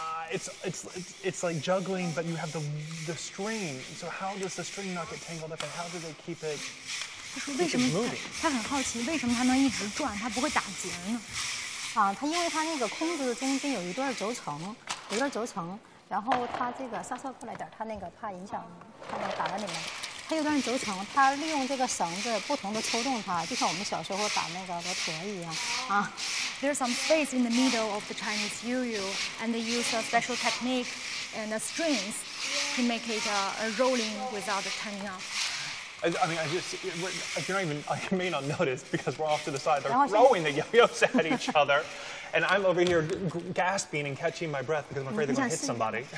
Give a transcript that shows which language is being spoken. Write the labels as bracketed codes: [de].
[en] it's like juggling, but you have the string. So how does the string not get tangled up, and how do they keep it moving? [zh] 他很好奇为什么他能一直转，他不会打结呢？他因为他那个空竹的中间有一段轴承。有点轴承，然后它这个稍过来点，它那个怕影响，它那个打到你们。它有段轴承，它利用这个绳子不同的抽动它，就像我们小时候打那个螺旋一样 [en] there's some space in the middle of the Chinese yu-yu, and they use a special technique and a strings to make it a rolling without turning off. I may not notice because we're off to the side. They're throwing the yo-yos at each other. And I'm over here gasping and catching my breath because I'm afraid they're going to hit somebody.